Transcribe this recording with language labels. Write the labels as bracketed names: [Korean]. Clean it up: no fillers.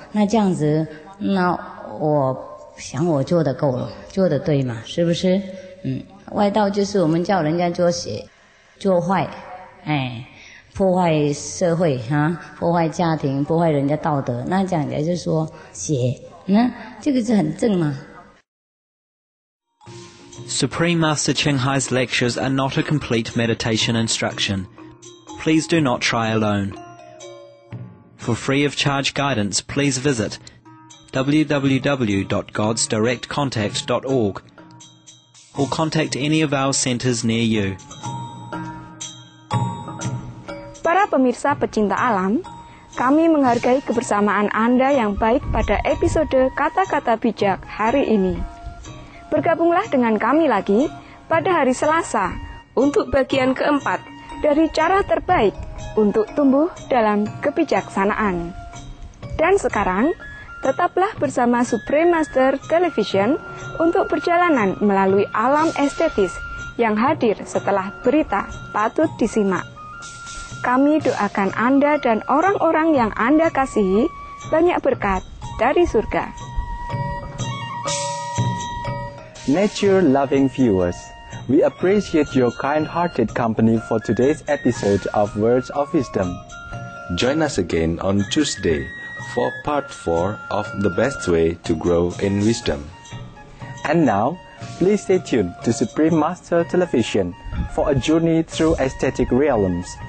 [Chinese] 那这样子，那我想我做得够了，做得对嘛，是不是？外道就是我们叫人家做邪，做坏，破坏社会啊，破坏家庭，破坏人家道德。那讲的就是说邪，这个是很正嘛。 [English] Supreme Master Ching Hai's lectures are not a complete meditation instruction. Please do not try alone. For free of charge guidance, please visit www.godsdirectcontact.org or contact any of our centers near you. [Indonesian] Para pemirsa pecinta alam, kami menghargai kebersamaan Anda yang baik pada episode Kata-Kata Bijak hari ini. Bergabunglah dengan kami lagi pada hari Selasa untuk bagian keempat. Dari cara terbaik untuk tumbuh dalam kebijaksanaan. Dan sekarang, tetaplah bersama Supreme Master Television untuk perjalanan melalui alam estetis yang hadir setelah berita patut disimak. Kami doakan Anda dan orang-orang yang Anda kasihi banyak berkat dari surga. [English] Nature loving viewers. We appreciate your kind-hearted company for today's episode of Words of Wisdom. Join us again on Tuesday for part 4 of The Best Way to Grow in Wisdom. And now, please stay tuned to Supreme Master Television for a journey through aesthetic realms.